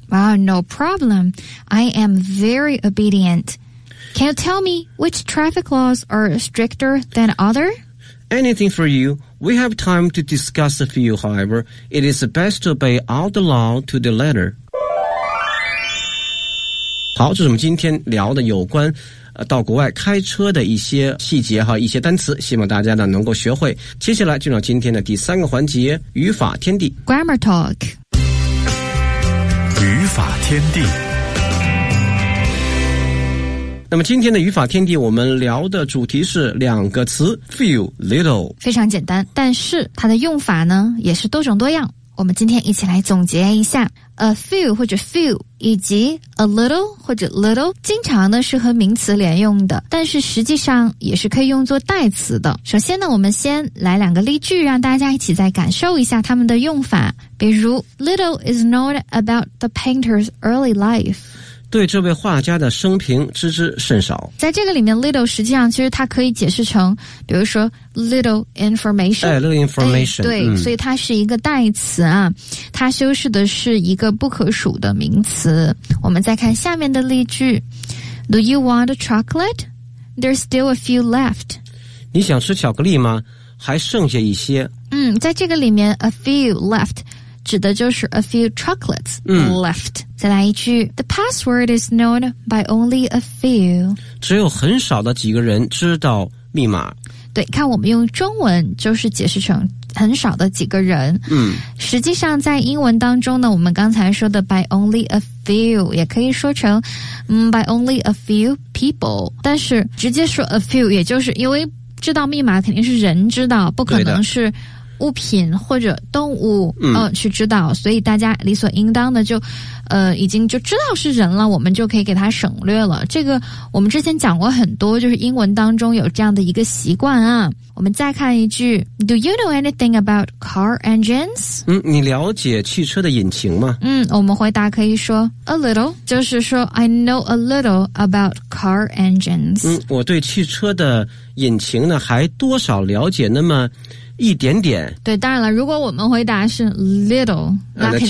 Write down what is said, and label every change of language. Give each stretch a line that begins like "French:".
English: Wow, no problem. I am very obedient. Can you tell me which traffic laws are stricter than other? Anything for you. We have time to discuss a few, however. It is best to obey all the law to the letter.
Chinese: 好，这是我们今天聊的有关到国外开车的一些细节和一些单词，希望大家呢能够学会。接下来进入今天的第三个环节，语法天地。
English: Grammar Talk。
Chinese: 语法天地。那么今天的语法天地我们聊的主题是两个词 few, little。非常简单，但是它的用法呢也是多种多样。我们今天一起来总结一下 a few 或者 few 以及 a little 或者 little 经常呢是和名词连用的，但是实际上也是可以用作代词的。首先呢我们先来两个例句，让大家一起再感受一下它们的用法。比如
English: little is known about the painter's early life。
Chinese: 对这位画家的生平知之甚少。在这个里面 little 实际上其实它可以解释成比如说
English: little information。哎， little information。哎、
Chinese: 对、嗯、所以它是一个代词啊，它修饰的是一个不可数的名词。我们再看下面的例句。
English: Do you want a chocolate? There's still a few left.
Chinese: 你想吃巧克力吗？还剩下一些。嗯，在这个里面
English: a few left。
Chinese: 指的就是
English: a few chocolates left、嗯、
Chinese: 再来一句
English: The password is known by only a few
Chinese: 只有很少的几个人知道密码。对，看我们用中文就是解释成很少的几个人。嗯，实际上在英文当中呢，我们刚才说的
English: by only a few
Chinese: 也可以说成
English: by only a few people，
Chinese: 但是直接说 a few 也就是因为知道密码肯定是人知道，不可能是物品或者动物去知道，所以大家理所应当的就已经就知道是人了，我们就可以给它省略了。这个我们之前讲过很多，就是英文当中有这样的一个习惯啊。我们再看一句
English: Do you know anything about car engines?
Chinese: 嗯，你了解汽车的引擎吗？嗯，我们回答可以说 A little， 就是说
English: I know a little about car engines。
Chinese: 嗯，我对汽车的引擎呢还多少了解那么一点点。对，当然了，如果我们回答是 little， 那肯定、